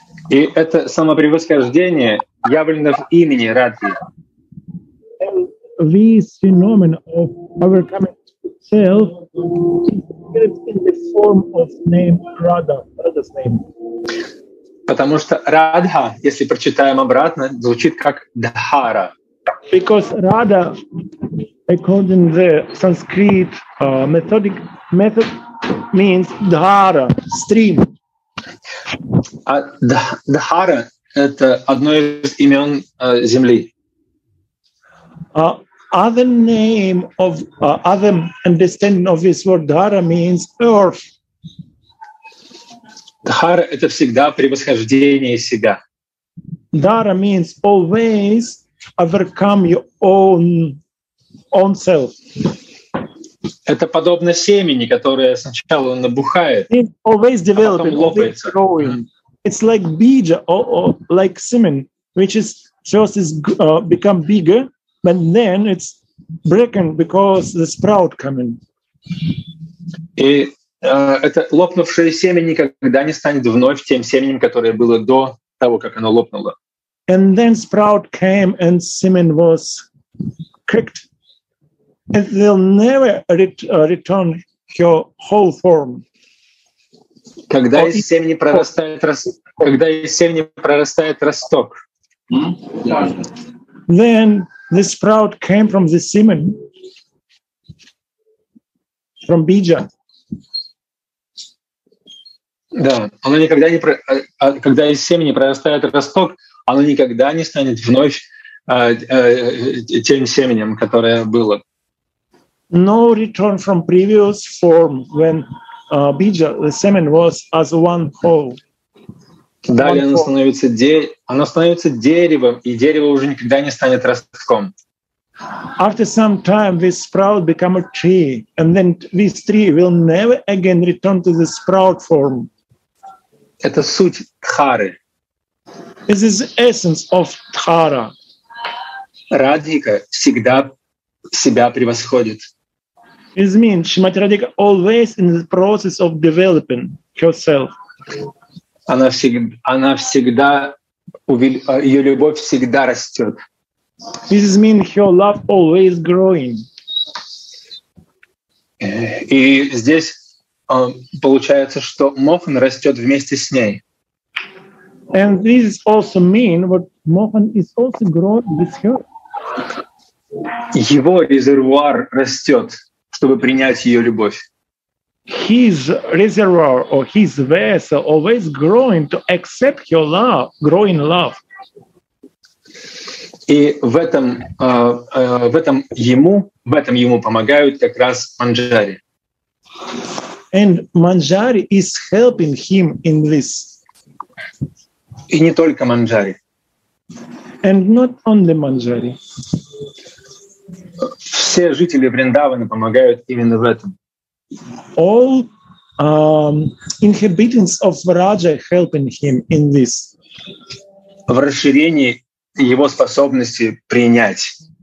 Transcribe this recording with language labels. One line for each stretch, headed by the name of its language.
Russian: И это самопревосхождение явлено в имени Радхи.
English: This phenomenon of overcoming self is in the form of name Radha, Radha's name.
Russian: Потому что Радха, если прочитаем обратно, звучит как Дхара.
English: Because Radha, according to the Sanskrit method, means Dhara, stream.
Russian: А Дхара — это одно из имен земли.
English: Other name of other understanding of this word Dhara means earth.
Russian: Dhara — это всегда превосхождение себя.
English: Dhara means always overcome your own self.
Russian: Это подобно семени, которое сначала набухает,
English: it's always developing,
Russian: а потом лопается.
English: It's growing. It's like bija or like semen, which is first is become bigger. But then it's broken because the sprout coming.
Russian: И это лопнувшее семя никогда не станет вновь тем семенем, которое было до того, как оно лопнуло.
English: And then sprout came and semen was cracked. It will never return her whole form.
Russian: Когда из семени прорастает росток.
English: Then the sprout came from the semen. from Bija.
Russian: Да, оно никогда не когда из семени прорастает росток, оно никогда не станет вновь тем семенем, которое было.
English: No return from previous form when Bija, the semen was as one whole.
Russian: Далее оно становится оно становится деревом, и дерево уже никогда не станет ростком.
English: After some time, this sprout become a tree, and then this tree will never again return to the sprout form.
Russian: Это суть дхары.
English: This is essence of dhara.
Russian: Радхика всегда себя превосходит.
English: This means Shrimati Radhika always in the process of developing herself.
Russian: Она всегда ее любовь всегда растет.
English: This means her love always growing.
Russian: И здесь получается, что Мохан растет вместе с ней.
English: And this also means what Mohan is also growing with her.
Russian: Его резервуар растет, чтобы принять ее любовь.
English: His reservoir or his vessel always growing to accept your love, growing love.
Russian: И в этом ему помогают как раз манджари.
English: And manjari is helping him in this.
Russian: И не только манджари.
English: And not only manjari.
Russian: Все жители Вриндавана помогают именно в этом.
English: All inhabitants of Vraja helping him in this.
Russian: В расширении его способности принять.